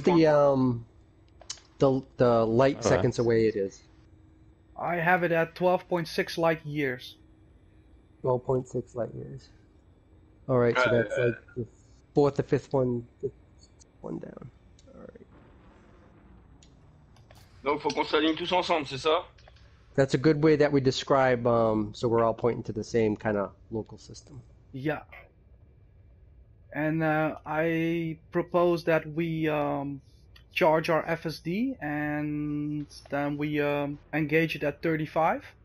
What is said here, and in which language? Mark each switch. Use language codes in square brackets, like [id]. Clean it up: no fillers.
[en] point. The the light all seconds right. Away it is. I have it at 12.6 light years. 12.6 light years. All right, so that's like the fourth, the fifth one down. All right. [fr] Donc faut qu'on s'aligne tous ensemble, c'est ça? [en] That's a good way that we describe, so we're all pointing to the same kind of local system. Yeah. And I propose that we charge our FSD and then we engage it at 35.